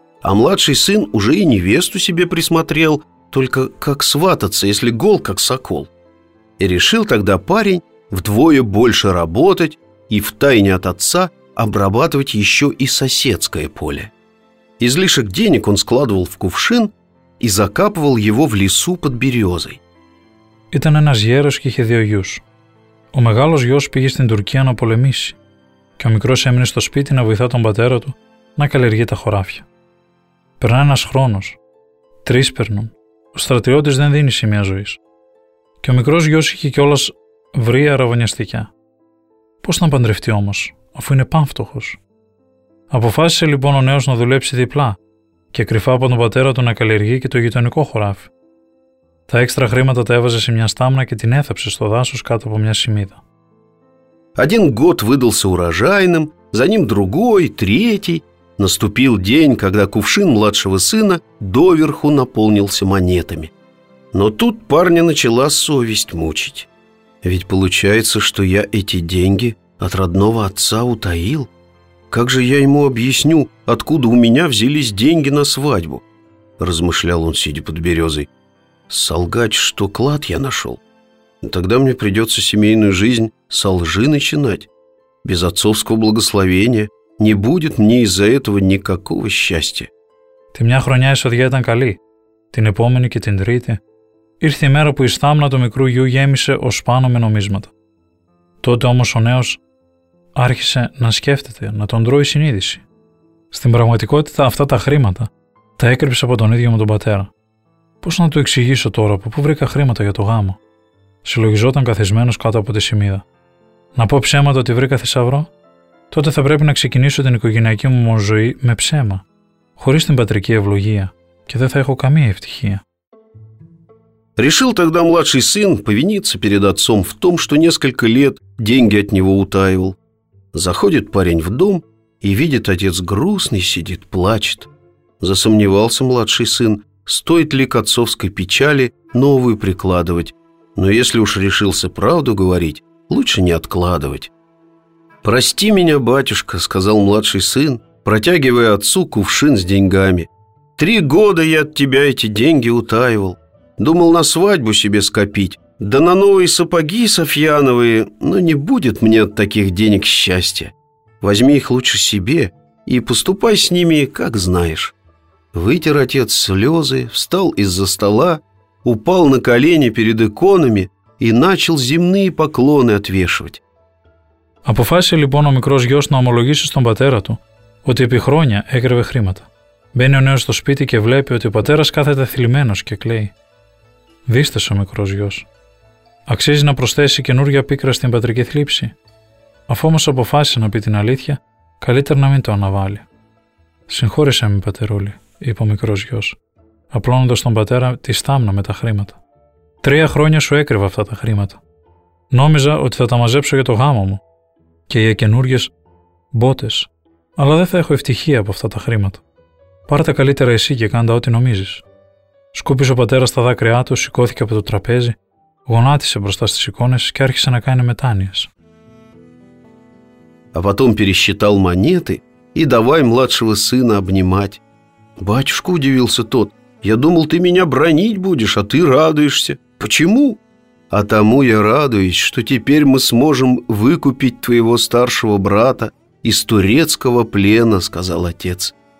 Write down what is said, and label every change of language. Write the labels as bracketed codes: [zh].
[ru] А младший сын уже и невесту себе присмотрел, только как свататься, если гол, как сокол. И решил тогда парень вдвое больше работать и втайне от отца обрабатывать еще и соседское поле. Излишек денег он складывал в кувшин и закапывал его в лесу под березой. [el] Ήταν ένας γέρος και είχε δύο γιους. Ο μεγάλος γιος πήγε στην Τουρκία να πολεμήσει και ο μικρός έμεινε στο σπίτι να βοηθά τον πατέρα του να καλλιεργεί τα χωράφια. Περνά ένας χρόνος. Τρεις περνούν. Ο στρατιώτης δεν δίνει σημεία ζωής. Και ο μικρός γιος είχε κιόλας βρει αραβωνιαστικιά. Πώς να παντρευτεί όμως, αφού είναι πανφτωχος. Αποφάσισε λοιπόν ο νέος να δουλέψει διπλά και κρυφά από τον πατέρα του να καλλιεργεί και το γειτονικό χωράφι. Τα έξτρα χρήματα τα έβαζε σε μια στάμνα και την έθαψε στο δάσος κάτω από μια σημίδα. [ru] Один год выдался урожайным, за ним другой, третий. Наступил день, когда кувшин младшего сына доверху наполнился монетами. Но тут парня начала совесть мучить. Ведь получается, что я эти деньги от родного отца утаил. Как же я ему объясню, откуда у меня взялись деньги на свадьбу? Размышлял он, сидя под березой. Солгать, что клад я нашел? Тогда мне придется семейную жизнь со лжи начинать. Без отцовского благословения не будет мне из-за этого никакого счастья. [el] Ты мне хроня и судья ήταν καλή. Την επόμενη και την τρίτη. Ήρθε η μέρα που η στάμνα του μικρού γιού γέμισε ως πάνω με νομίσματα. Τότε όμως ο νέος άρχισε να σκέφτεται, να τον τρώει η συνείδηση. Στην πραγματικότητα αυτά τα χρήματα τα έκρυψε από τον ίδιο με τον πατέρα. Πώς να του εξηγήσω τώρα από πού βρήκα χρήματα για το γάμο? Συλλογιζόταν καθισμένος κάτω από τη σημίδα. Να πω ψέματα ότι βρήκα θησαυρό? Τότε θα πρέπει να ξεκινήσω την οικογενειακή μου ζωή με ψέμα, χωρίς την πατρική ευλογία, και δεν θα έχω καμία ευτυχία. [ru] Решил тогда младший сын повиниться перед отцом в том, что несколько лет деньги от него утаивал. Заходит парень в дом и видит, отец грустный сидит, плачет. Засомневался младший сын, стоит ли к отцовской печали новую прикладывать. Но если уж решился правду говорить, лучше не откладывать. «Прости меня, батюшка», — сказал младший сын, протягивая отцу кувшин с деньгами. «Три года я от тебя эти деньги утаивал. Думал на свадьбу себе скопить, да на новые сапоги софьяновые, но не будет мне от таких денег счастья. Возьми их лучше себе и поступай с ними, как знаешь». Вытер отец слезы, встал из-за стола, упал на колени перед иконами и начал земные поклоны отвешивать. [el] Αποφάσισε λοιπόν ο μικρός γιος να ομολογήσει στον πατέρα του ότι επί χρόνια έκρυβε χρήματα. Μπαίνει ο νέος στο σπίτι και βλέπει ότι ο πατέρας κάθεται θλιμμένος και κλαίει. Δίστες ο μικρός γιος. Αξίζει να προσθέσει καινούργια πίκρα στην πατρική θλίψη. Αφού όμως αποφάσισε να πει την αλήθεια, καλύτερα να μην το αναβάλει. «Συγχώρησέ με, πατερούλη», είπε ο μικρός γιος, απλώνοντας τον πατέρα τη στάμνα με τα χρήματα. «Τρία χρόνια σου έκρυβα αυτά τα χρήματα. Νόμιζα ότι θα τα μαζέψω για το γάμο μου και για καινούργιες μπότες. Αλλά δεν θα έχω ευτυχία από αυτά τα χρήματα. Πάρε τα καλύτερα εσύ και κάντα ό,τι νομίζεις». Σκούπισε ο πατέρας στα δάκρυά του, σηκώθηκε από το τραπέζι, γονάτισε μπροστά στις εικόνες και άρχισε να κάνει μετάνοιες. [ru] А потом пересчитал монеты и давай младшего сына обнимать. Батюшка удивился тот. Я думал, ты меня бронить будешь, а ты радуешься. Почему? А тому я радуюсь, что теперь мы сможем выкупить твоего старшего брата из турецкого плена, сказал отец.